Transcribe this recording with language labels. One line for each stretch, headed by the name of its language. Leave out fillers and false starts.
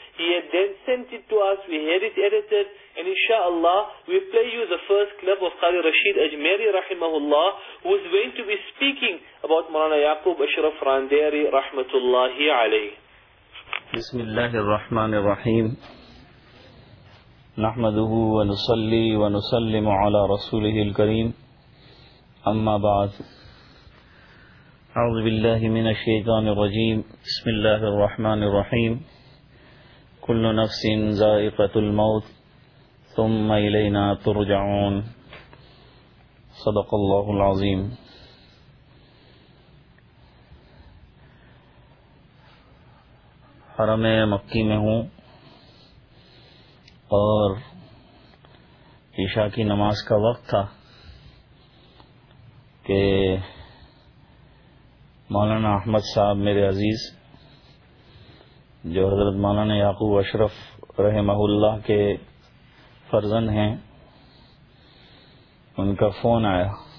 English: He had then sent it to us. We had it edited. And inshallah, we'll play you the first clip of Qari Rashid Ajmeri rahimahullah, who is going to be speaking about Maulana Yaqub Ashraf Randeri rahmatullahi alayhi.
Arabic: Bismillahir Rahmanir Rahim. نحمده ونصلي ونسلم على رسوله الكريم أما بعد أعوذ بالله من الشيطان الرجيم بسم الله الرحمن الرحيم كل نفس زائقة الموت ثم إلينا ترجعون صدق الله العظيم
Urdu: حرم مكي میں ہوں اور عشاء کی نماز کا وقت تھا کہ مولانا احمد صاحب میرے عزیز جو حضرت مولانا یعقوب اشرف رحمہ اللہ کے فرزند ہیں ان کا فون آیا